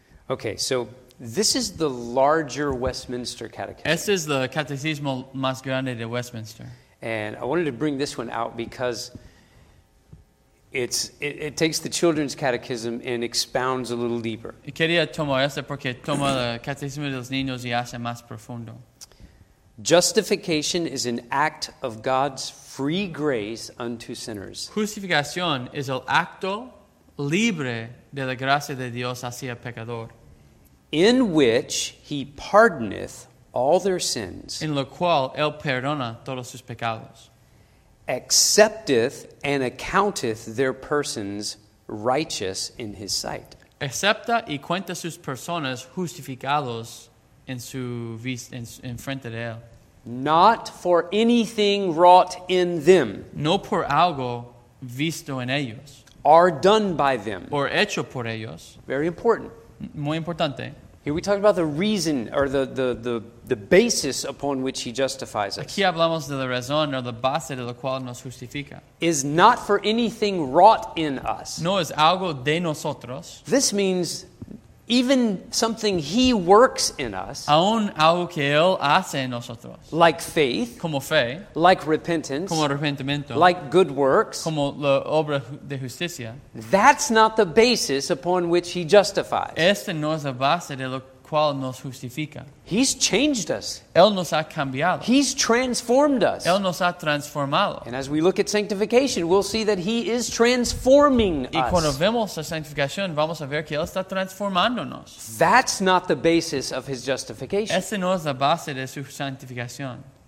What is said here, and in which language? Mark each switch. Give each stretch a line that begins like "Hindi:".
English: Okay, so this is the larger Westminster Catechism.
Spanish: Este es el catecismo más grande de Westminster.
English: And I wanted to bring this one out because it takes the children's catechism and expounds a little deeper.
Spanish: Y quería tomar este porque toma el catecismo de los niños y hace más profundo.
English: Justification is an act of God's free grace unto sinners.
Spanish: Justificación es el acto libre de la gracia de Dios hacia el pecador.
English: In which he pardoneth all their sins.
Spanish: En lo cual él perdona todos sus pecados.
English: Accepteth and accounteth their persons righteous in his sight.
Spanish: Acepta y cuenta sus personas justificados en su vista en frente de él.
English: Not for anything wrought in them.
Spanish: No por algo visto en ellos.
English: Are done by them.
Spanish: Or hecho por ellos.
English: Very important.
Spanish: Muy importante.
English: Here we talk about the reason or the basis upon which he justifies us.
Spanish: Aquí hablamos de la razón o la base de la cual nos justifica.
English: Is not for anything wrought in us.
Spanish: No es algo de nosotros.
English: This means even something he works in us.
Spanish: Aún algo que él hace en nosotros.
English: Like faith.
Spanish: Como fe.
English: Like repentance.
Spanish: Como arrepentimiento.
English: Like good works.
Spanish: Como la obra de justicia.
English: That's not the basis upon which he justifies.
Spanish: Esta no es la base de la cual nos justifica.
English: He's changed us.
Spanish: Él nos ha cambiado.
English: He's transformed us.
Spanish: Él nos ha transformado.
English: And as we look at sanctification, we'll see that he is transforming us.
Spanish: Y cuando vemos la sanctificación, vamos a ver que él está transformándonos.
English: That's not the basis of his justification.
Spanish: Esa no es la base de su santificación.